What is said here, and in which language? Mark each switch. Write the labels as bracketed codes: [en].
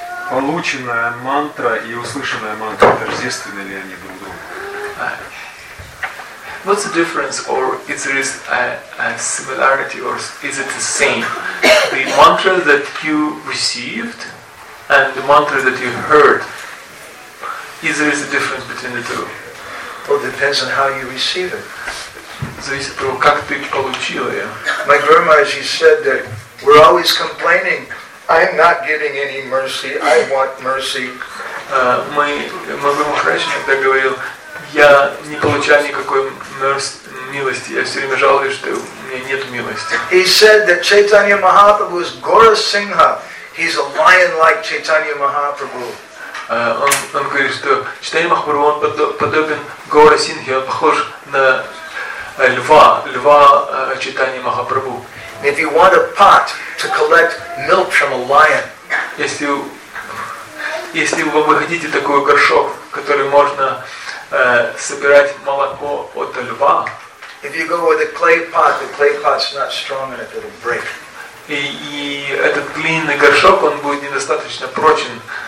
[ru] Полученная мантра и услышанная мантра тождественны ли они друг другу? [en] What's the difference, or is there a similarity, or is it the same? The mantra that you received and the mantra that you heard. Is there a difference between the two? Well, it depends on how you receive it. [ru] Зависит от того, как ты получил ее. [en] My grandma, she said that we're always complaining. I'm not getting any mercy. I want mercy. [ru] Мой грандма раньше иногда говорил, я не получаю никакой милости. Я все время жалуюсь, что у меня нет милости. [en] He said that Chaitanya Mahaprabhu is Gaura Singha. He's a lion-like Chaitanya Mahaprabhu. [ru] Он говорит, что Чайтанья Махапрабху он подобен Гора Синхе, он похож на льва Чайтанья Махапрабху. [en] If you want a pot to collect milk from a lion, [ru] если вы хотите такой горшок, в который можно собирать молоко от льва, [en] if you go with a clay pot, the clay pot's not strong enough, it'll break. [ru] И этот глиняный горшок он будет недостаточно прочен.